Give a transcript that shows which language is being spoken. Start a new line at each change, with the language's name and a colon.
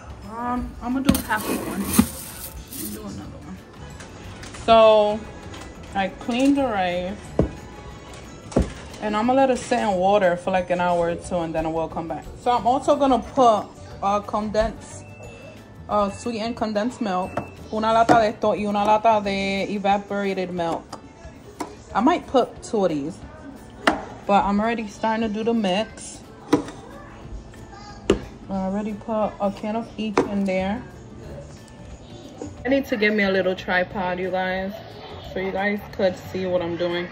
English: I'm gonna do half of one. Do another one. So I cleaned the rice and I'm gonna let it sit in water for like an hour or two and then it will come back. So I'm also gonna put sweetened condensed milk.
Spanish: Una lata de esto y una lata de
English: evaporated milk. I might put two of these, but I'm already starting to do the mix. I already put a can of each in there. I need to get me a little tripod, you guys, so you guys could see what I'm doing.